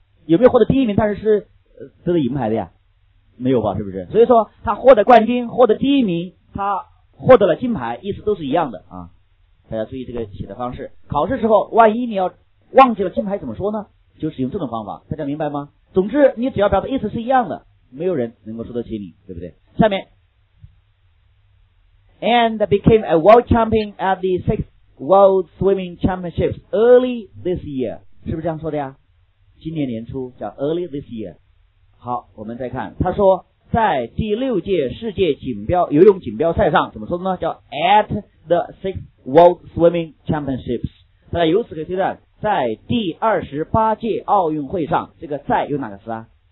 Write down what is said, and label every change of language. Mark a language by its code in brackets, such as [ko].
[zh] 有没有获得第一名但是是这是银牌的呀？没有吧，是不是？所以说他获得冠军，获得第一名，他获得了金牌，意思都是一样的啊。大家注意这个写的方式，考试时候万一你要忘记了金牌怎么说呢，就使用这种方法，大家明白吗？总之你只要表达意思是一样的，没有人能够说得起你，对不对？ [en] 下面 and became a world champion at the 6th world swimming championships early this year， [zh] 是不是这样说的呀？今年年初叫 [en] early this year。 [zh] 好，我们再看，他说在第六届世界锦标游泳锦标赛上怎么说的呢？ [en] 叫 at the 6th world swimming championships。 [zh] 大家由此可以推断，在第28届奥运会上，这个在用哪个词啊？